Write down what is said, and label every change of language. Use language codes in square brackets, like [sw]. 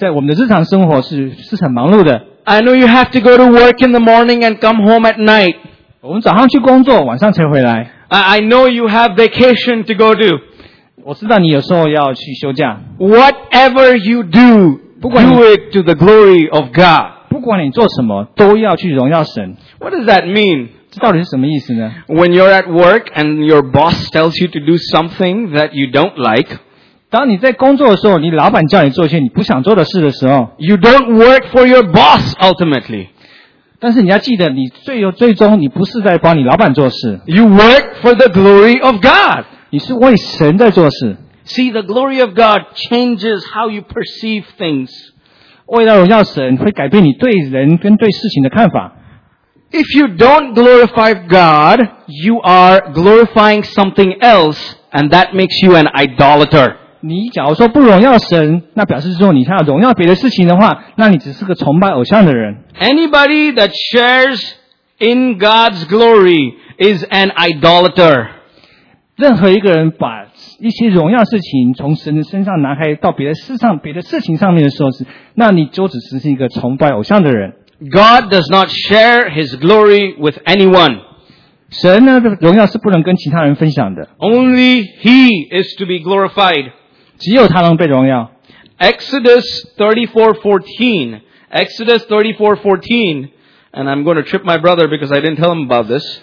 [zh] 我很清楚，在我们的日常生活是很忙碌的。 [en] I know you have to go to work in the morning and come home at night. [zh] 我们早上去工作，晚上才回来。 [en] I know you have vacation to go to. [zh] 我知道你有时候要去休假。 [en] Whatever you do, do it to the glory of God. [zh] 不管你做什么，都要去荣耀神。 [en] What does that mean? [zh] 这到底是什么意思呢？ [en] When you're at work and your boss tells you to do something that you don't like, [zh] 当你在工作的时候，你老板叫你做一些你不想做的事的时候， [en] you don't work for your boss ultimately. [zh] 但是你要记得，你最终你不是在帮你老板做事。 [en] You work for the glory of God. [zh] 你是为神在做事。 [en] See, the glory of God changes how you perceive things. [zh] 为了荣耀神，会改变你对人跟对事情的看法。 [en] If you don't glorify God, you are glorifying something else, and that makes you an idolater. [zh] 你假如说不荣耀神，那表示说你想要荣耀别的事情的话，那你只是个崇拜偶像的人。 [en] Anybody that shares in God's glory is an idolater. [zh] 任何一个人把一些荣耀事情从神的身上拿开到别的事上、别的事情上面的时候，是那你就只是一个崇拜偶像的人。 [en] God does not share His glory with anyone. [zh] 神呢的荣耀是不能跟其他人分享的。 [en] Only He is to be glorified. [zh] 只有他能被荣耀。 [en] Exodus 34:14, and I'm going to trip my brother because I didn't tell him about this.